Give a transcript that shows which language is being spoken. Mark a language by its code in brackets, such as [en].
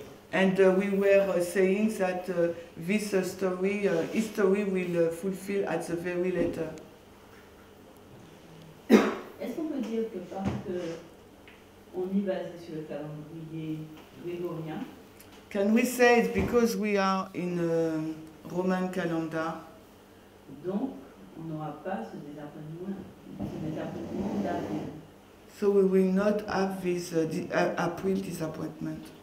[en] And we were saying that this story, history will fulfill at the very letter. [fr] Est-ce qu'on peut dire que parce que on est basé sur le calendrier grégorien? [en] Can we say it's because we are in a Roman calendar? [fr] Donc, on n'aura pas ce désappointement d'avril. [en] So we will not have this April disappointment.